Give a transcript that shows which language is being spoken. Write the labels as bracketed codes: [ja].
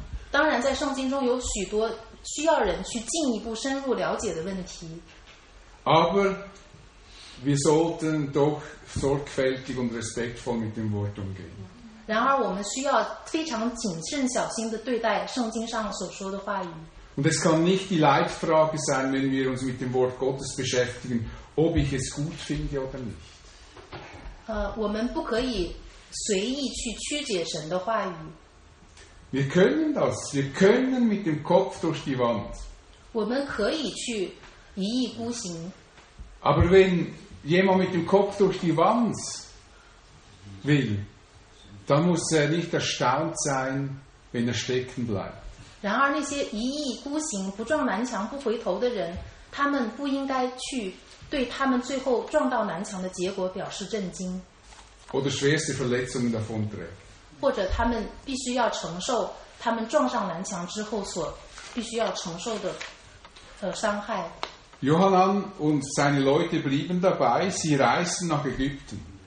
[zh] 当然在圣经中有许多需要人去进一步深入了解的问题。 [de] Aber wir sollten doch sorgfältig und respektvoll mit dem Wort umgehen. [zh] 然而我们需要非常谨慎小心地对待圣经上所说的话语。 [de] Und es kann nicht die Leitfrage sein, wenn wir uns mit dem Wort Gottes beschäftigen, ob ich es gut finde oder nicht. [zh] 我们不可以随意去曲解神的话语。 [de] Wir können das. Wir können mit dem Kopf durch die Wand. [zh] 我们可以去一意孤行。 [de] Aber wenn jemand mit dem Kopf durch die Wand will, dann muss er nicht erstaunt sein, wenn er stecken bleibt. [zh] 然而那些一意孤行、不撞南墙不回头的人，他们不应该去对他们最后撞到南墙的结果表示震惊。 [de] Oder schwerste Verletzungen davon trägt. [zh] 或者他们必须要承受他们撞上南墙之后所必须要承受的伤害。 [de] Johanan und seine Leute blieben dabei, sie reisten nach Ägypten.